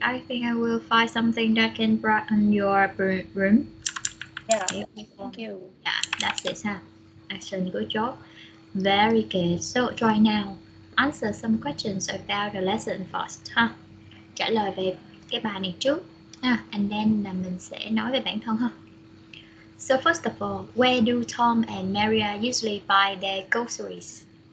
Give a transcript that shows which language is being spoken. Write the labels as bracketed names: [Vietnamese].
[English] I think I will find something that can brighten your room. Yeah, thank you. Yeah, that's it, huh? Excellent, good job. Very good. So, try now. Answer some questions about the lesson first, huh? [Vietnamese] Trả lời về cái bài này trước, huh? [English] And then [Vietnamese] mình sẽ nói về bản thân, huh? [English] So, first of all, where do Tom and Maria usually buy their groceries?